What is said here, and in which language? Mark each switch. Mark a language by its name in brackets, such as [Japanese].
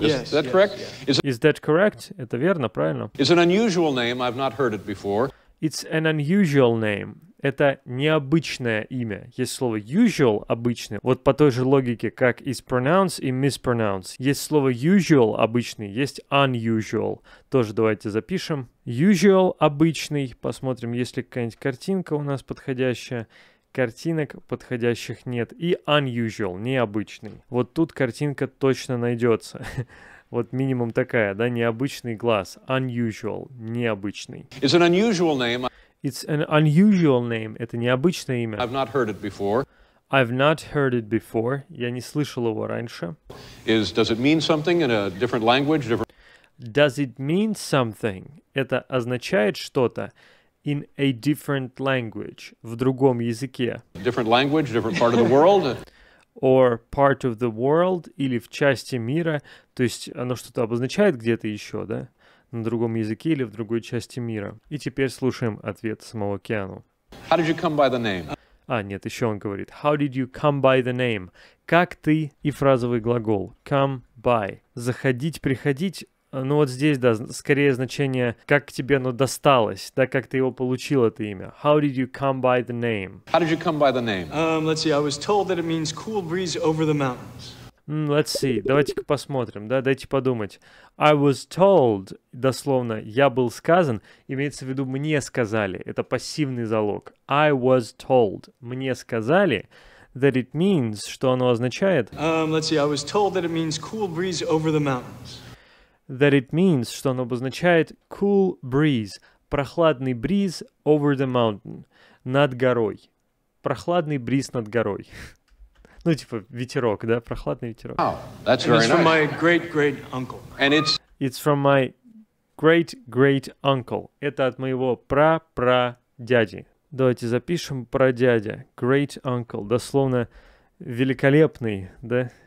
[English] Yes, is that correct? Yes, yes. Is that correct? [Russian] Это верно, правильно? [English] It's an unusual name, I've not heard it before. It's an unusual name. [Russian] Это необычное имя. Есть слово usual, обычный. Вот по той же логике, как is pronounce и mispronounce. Есть слово usual, обычный. Есть unusual. Тоже давайте запишем. Usual, обычный. Посмотрим, есть ли какая-нибудь картинка у нас подходящая. Картинок подходящих нет. И unusual, необычный. Вот тут картинка точно найдется. Вот минимум такая, да, необычный глаз. Unusual, необычный. [English] It's an unusual name. It's an unusual name. [Russian] Это необычное имя. [English] I've not heard it before. I've not heard it before. [Russian] Я не слышал его раньше. [English] Does it mean something in a different language? Does it mean something? [Russian] Это означает что-то [English] in a different language, [Russian] в другом языке. [English] Different language, different part of the world. Or part of the world, [Russian] или в части мира. То есть оно что-то обозначает где-то еще, да? На другом языке или в другой части мира. И теперь слушаем ответ самого Киану. [English] How did you come by the name? [Russian] А, нет, еще он говорит. [English] How did you come by the name? [Russian] Как ты и фразовый глагол. Come by. Заходить, приходить. Ну вот здесь, да, скорее значение, как к тебе оно досталось, да, как ты его получил, это имя. [English] How did you come by the name? How did you come by the name? Let's see, I was told that it means cool breeze over the mountains. Let's see, [Russian] давайте-ка посмотрим, да, дайте подумать. [English] I was told, [Russian] дословно, я был сказан, имеется в виду мне сказали, это пассивный залог. [English] I was told, [Russian] мне сказали, [English] that it means, [Russian] что оно означает. [English] Let's see, I was told that it means cool breeze over the mountains. That it means, [Russian] что оно обозначает [English] cool breeze, [Russian] прохладный бриз [English] over the mountain, [Russian] над горой. Прохладный бриз над горой. Ну, типа, ветерок, да? Прохладный ветерок. [English] Oh, that's very nice. From my great-great-uncle. And it's... It's from my great-great uncle. [Russian] Это от моего пра-пра-дяди. Давайте запишем прадядя. [English] Great uncle. [Russian] Дословно великолепный, да?